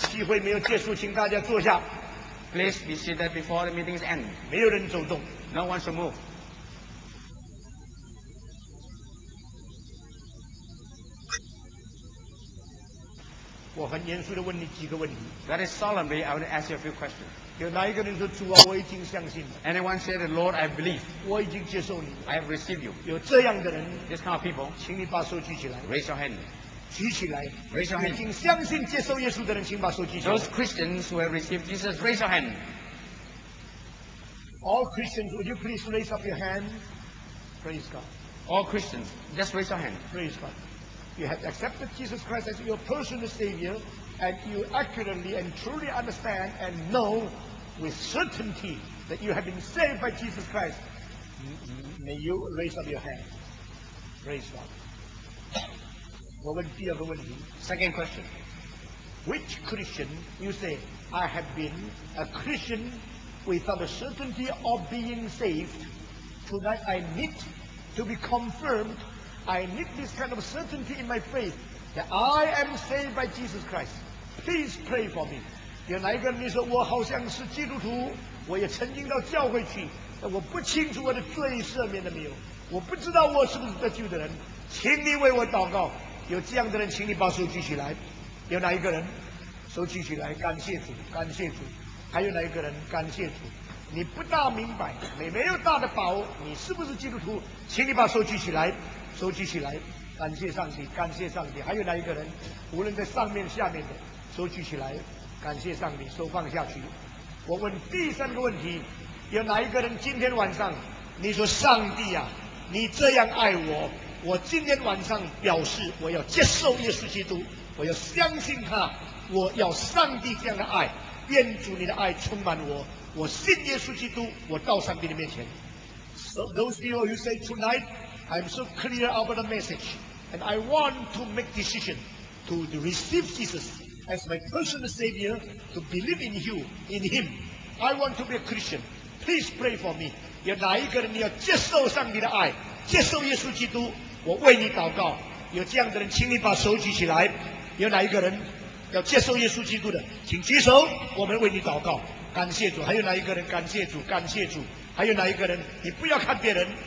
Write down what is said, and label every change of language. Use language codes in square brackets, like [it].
[zh] 机会没有结束，请大家坐下。 [en] Please be seated before the meeting's end. [zh] 没有人走动。 [en] No one should move. [zh] 我很严肃地问你几个问题。 [en] That is solemnly, I want to ask you a few questions. [zh] 有哪一个人说主啊，我已经相信了。 [en] Anyone say the Lord, I believe. [zh] 我已经接受你了。 [en] I have received you. [zh] 有这样的人。 [en] This kind of people. [zh] 请你把手举起来。 [en] Raise your hand. [zh] 举起来。 [en] Raise your hand. [zh] 已经相信接受耶稣的人，请把手举起来。 [en] Those Christians who have received Jesus, raise your hand. All Christians, would you please raise up your hand? Praise God. All Christians, just raise your hand. Praise God. You have accepted Jesus Christ as your personal Savior, and you accurately and truly understand and know with certainty that you have been saved by Jesus Christ. May you raise up your hand. Praise God. [zh] 我问第二个问题。 [en] Second question. Which Christian you say, I have been a Christian without a certainty of being saved, tonight I need to be confirmedI need this kind of certainty in my faith that I am saved by Jesus Christ. Please pray for me. [zh] 有哪一个人你说我好像是基督徒，我也曾经到教会去，但我不清楚我的罪赦免了没有，我不知道我是不是得救的人，请你为我祷告。有这样的人，请你把手举起来。有哪一个人，手举起来，感谢主，感谢主。还有哪一个人，感谢主。你不大明白，你没有大的把握，你是不是基督徒？请你把手举起来。收集起来，感谢上帝，感谢上帝。还有哪一个人，无论在上面下面的，收集起来，感谢上帝，收放下去。我问第三个问题，有哪一个人今天晚上，你说上帝啊，你这样爱我，我今天晚上表示我要接受耶稣基督，我要相信他，我要上帝这样的爱，愿主你的爱充满我，我信耶稣基督，我到上帝的面前。 [en] So those people who say tonight. I'm so clear about the message, and I want to make decision to receive Jesus as my personal Savior, to believe in you, in Him. I want to be a Christian. Please pray for me. [zh] 有哪一个人你要接受上帝的爱，接受耶稣基督，我为你祷告。有这样的人，请你把手举起来。有哪一个人要接受耶稣基督的，请举手，我们为你祷告。感谢主。还有哪一个人，感谢主，感谢主。还有哪一个人，你不要看别人。